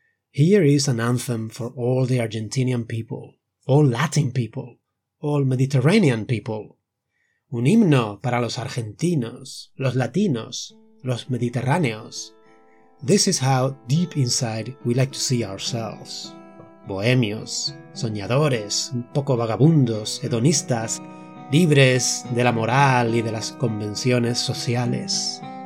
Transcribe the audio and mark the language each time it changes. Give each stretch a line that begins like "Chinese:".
English: Here is an anthem for all the Argentinian people, all Latin people, all Mediterranean people.
Spanish: Un himno para los argentinos, los latinos, los mediterráneos.
English: This is how deep inside we like to see ourselves.
Spanish: Bohemios, soñadores, un poco vagabundos, hedonistas, libres de la moral y de las convenciones sociales.